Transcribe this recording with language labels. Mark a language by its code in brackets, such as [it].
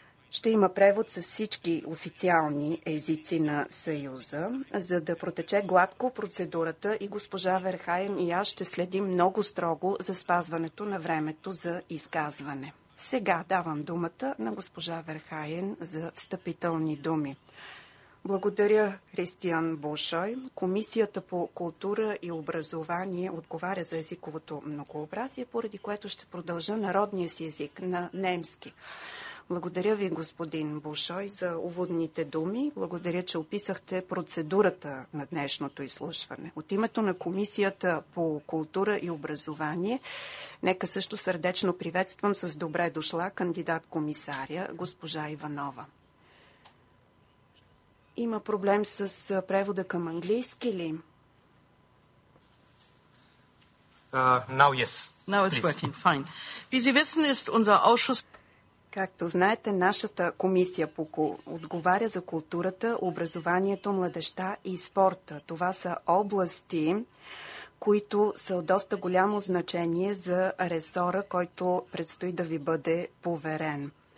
[bg] Ще има превод с всички официални езици на Съюза, за да протече гладко процедурата и госпожа Верхайен и аз ще следим много строго за спазването на времето за изказване. Сега давам думата на госпожа Верхайен за встъпителни думи. Благодаря, Христиан Бошой. Комисията по култура и образование отговаря за езиковото многообразие, поради което ще продължа народния си език на немски. Благодаря ви, господин Бошой, за уводните думи. Благодаря, че описахте процедурата на днешното изслушване. От името на Комисията по култура и образование, нека също сърдечно приветствам с добре дошла кандидат-комисаря госпожа Иванова. Има проблем с превода към английски ли? [en] Now yes. Now it's working. Fine. [de] Wie Sie wissen, ist unser Ausschuss... [bg] Както знаете, нашата комисия отговаря за културата, образованието, младежта и спорта. Това са области, които са от доста голямо значение за ресора, който предстои да ви бъде поверен.